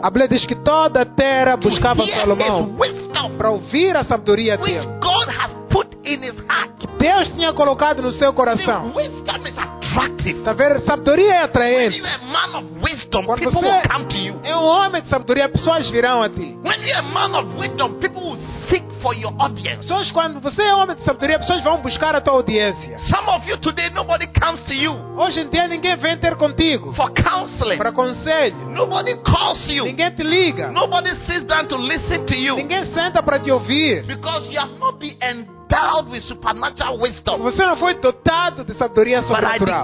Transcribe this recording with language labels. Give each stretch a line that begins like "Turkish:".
Portuguese: A Bíblia diz que toda a terra buscava Salomão. Para ouvir a sabedoria dele.
English: Which God has put in his heart.
Portuguese: Que Deus tinha colocado no seu coração.
English: The wisdom is attractive.
Portuguese: Tá vendo? Sabedoria é atraente.
English: When you're a man of wisdom,
Portuguese: quando
English: people
Portuguese: você
English: will come to you.
Portuguese: É um homem de sabedoria, pessoas virão a ti.
English: When you're a man of wisdom, people will seek for your audience.
Portuguese: Pessoas, quando você é um homem de sabedoria, pessoas vão buscar a tua audiência.
English: Some of you today, nobody comes to you.
Portuguese: Hoje em dia ninguém vem ter contigo.
English: For counseling.
Portuguese: Para conselho.
English: Nobody calls you.
Portuguese: Ninguém te liga.
English: Nobody sits down to listen to you.
Portuguese: Ninguém senta para te ouvir.
English: Because you have not been endowed with supernatural wisdom.
Portuguese: Você não foi dotado de sabedoria sobrenatural.